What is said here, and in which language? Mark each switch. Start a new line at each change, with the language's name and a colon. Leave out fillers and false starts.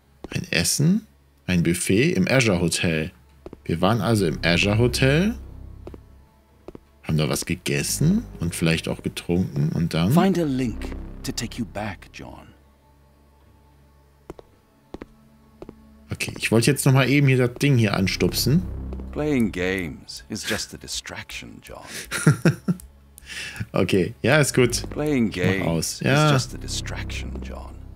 German: Ein Essen? Ein Buffet im Azure Hotel. Wir waren also im Azure Hotel. Haben da was gegessen und vielleicht auch getrunken und dann...
English: Find a link to take you back, John.
German: Okay, ich wollte jetzt nochmal eben hier das Ding hier anstupsen.
English: Playing games is just a distraction, John.
German: Okay, ja, ist gut.
English: Playing games
German: aus. Ja.
English: Is just a distraction, John.